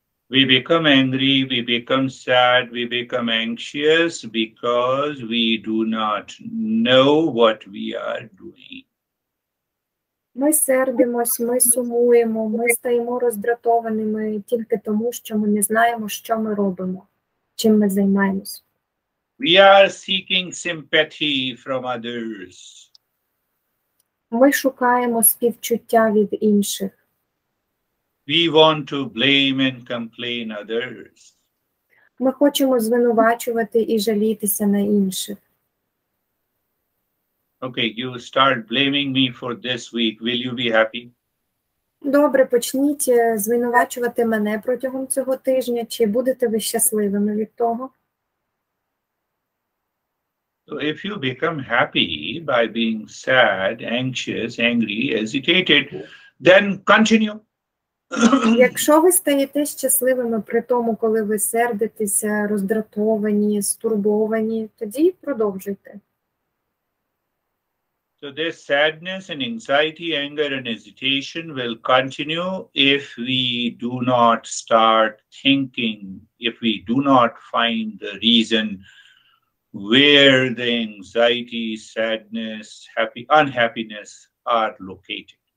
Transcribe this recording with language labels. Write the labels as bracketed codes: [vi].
[en] We become angry, we become sad, we become anxious because we do not know what we are doing. [uk] Ми сердимось, ми сумуємо, ми стаємо роздратованими тільки тому, що ми не знаємо, що ми робимо, чим ми займаємось. [en] We are seeking sympathy from others. [uk] Ми шукаємо співчуття від інших. [en] We want to blame and complain others. [uk] Ми хочемо звинувачувати і жалітися на інших. [en] Okay, you start blaming me for this week. Will you be happy? [uk] Добре, почніть звинувачувати мене протягом цього тижня. Чи будете ви щасливими від того? [en] So if you become happy by being sad, anxious, angry, hesitated, then continue. [uk] Якщо ви стаєте щасливими при тому, коли ви сердитеся, роздратовані, стурбовані, тоді продовжуйте. [en] So this sadness and anxiety, anger and hesitation will continue if we do not start thinking, if we do not find the reason where the anxiety, sadness, unhappiness are located.